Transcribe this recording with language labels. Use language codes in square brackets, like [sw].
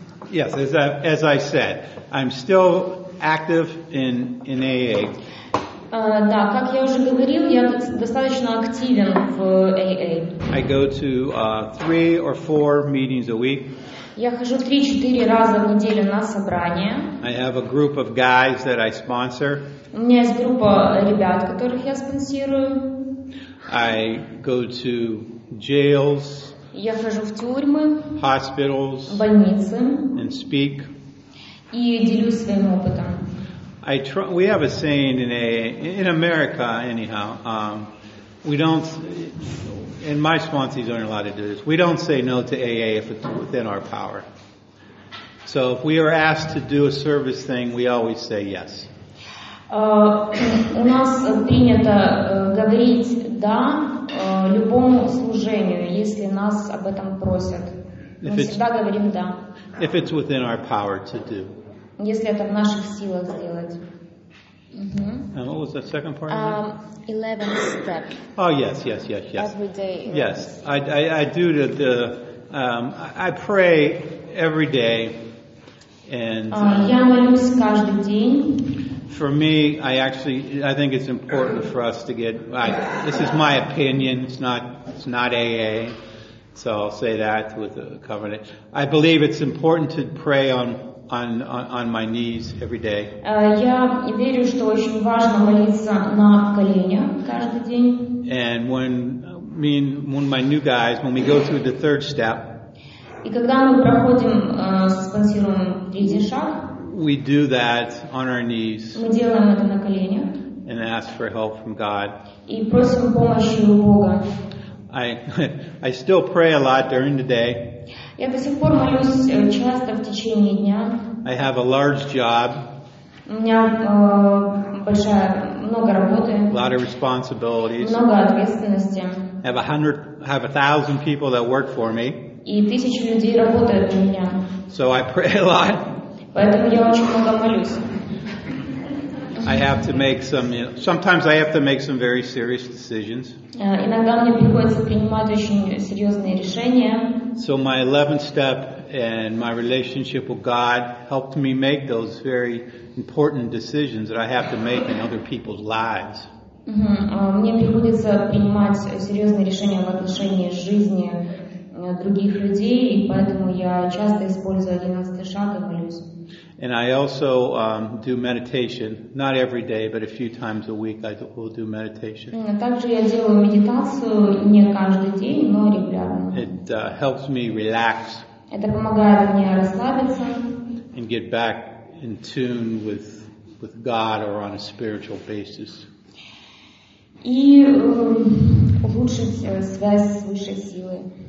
[en] Yes, as I said, I'm still active in AA. [ru] Да, как я уже говорил, я достаточно активен в AA. [en] I go to three or four meetings a week. [ru] Я хожу 3-4 раза в неделю на собрания. [en] I have a group of guys that I sponsor. [ru] У меня есть группа ребят, которых я спонсирую. [en] I go to jails. [ru] Я хожу в тюрьмы. [en] Hospitals. [ru] Больницы. [en] And speak. [ru] И делюсь своим опытом. [en] We have a saying in America, anyhow. We don't, and my sponsees aren't allowed to do this. We don't say no to AA if it's within our power. So if we are asked to do a service thing, we always say yes. [ru] У нас принято говорить да любому служению, если нас об этом просят. Мы всегда говорим да. [en] If it's within our power to do. [ru] Если это в наших силах сделать. [en] Mm-hmm. And what was the second part? 11th step. Oh, yes. Every day. Yes, I do the I pray every day. And [ru] я молюсь каждый день. [en] For me, I think it's important for us to get, this is my opinion, it's not AA, so I'll say that with a covenant. I believe it's important to pray on my knees every day. [ru] Я верю, что очень важно молиться на коленях каждый день. [en] And when my new guys, when we go through the third step, [ru] и когда мы проходим спонсируемый третий шаг, [en] we do that on our knees. [ru] Мы делаем это на коленях. [en] And ask for help from God. [ru] И просим помощи у Бога. [en] I still pray a lot during the day. [ru] Я до сих пор молюсь часто в течение дня. [en] I have a large job. [ru] У меня много работы. [en] A lot of responsibilities. [ru] Много ответственности. [en] Have 1,000 people that work for me. [ru] И тысячи людей работают на меня. [en] So I pray a lot. [ru] Поэтому я очень много молюсь. [en] I have to make some, sometimes I have to make some very serious decisions. [ru] Иногда мне приходится принимать очень серьезные решения. [en] So my 11th step and my relationship with God helped me make those very important decisions that I have to make in other people's lives. [ru] Мне приходится принимать серьезные решения в отношении жизни других людей, и поэтому я часто использую 11-й шаг и молюсь. [en] And I also do meditation, not every day, but a few times a week I will do meditation. [ru] Также я делаю медитацию не каждый день, но регулярно. [en] It helps me relax. [ru] Это помогает мне расслабиться. [en] And get back in tune with God or on a spiritual basis. [ru] И улучшить связь с высшей силой.